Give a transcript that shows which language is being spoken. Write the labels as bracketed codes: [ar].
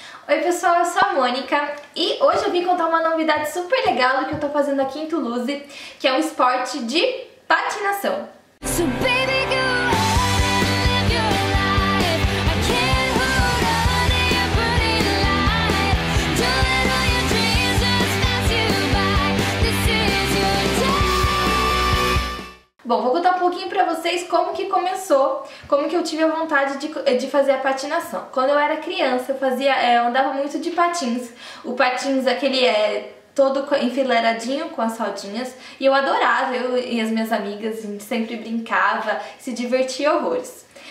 [pt] Oi pessoal, eu sou a Mônica e hoje eu vim contar uma novidade super legal do que eu tô fazendo aqui em Toulouse, que é um esporte de patinação. [en] So baby, go ahead and live your life. I can't hold on to your pretty light. Don't let all your dreams just pass you by. This is your time. [pt] Bom, vou contar um pouquinho pra vocês como que começou, como que eu tive a vontade de fazer a patinação. Quando eu era criança, eu andava muito de patins. O patins, aquele todo enfileiradinho com as rodinhas, e eu adorava, eu e as minhas amigas, a gente sempre brincava, se divertia horrores.